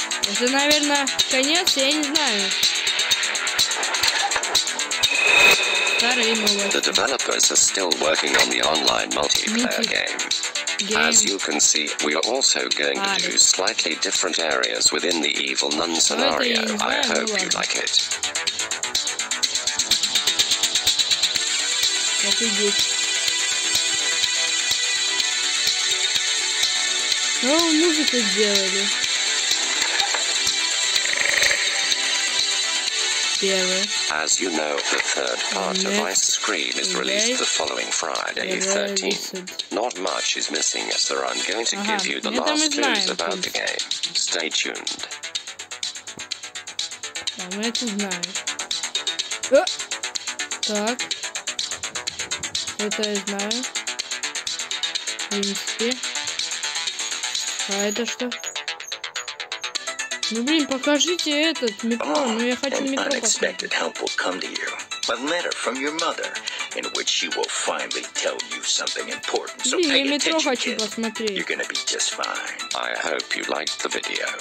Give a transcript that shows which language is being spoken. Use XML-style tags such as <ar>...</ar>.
<ru>Это, наверное, конец, я не знаю. Старые новости.</ru> <en>The developers are still working on the online multiplayer game. As you can see, we are also going to do slightly different areas within the Evil Nun scenario. I hope you like it.</en> <ru>Ну, музыку сделали. Первый.</ru> <en>As you know, the third part of Ice Cream is released the following Friday, 13th. Not much is missing, as there I'm going to give you the last clues about the game. Stay tuned.</en> <ru>А мы это знаем. Так. Это я знаю. Винчики. А это что? Ну блин, покажите этот метро, но я хочу метро.</ru> <en>Unexpected help will come to you. A letter from your mother, in which she will finally tell you something important. So pay attention, kid. You're gonna be just fine. I hope you liked the video.</en>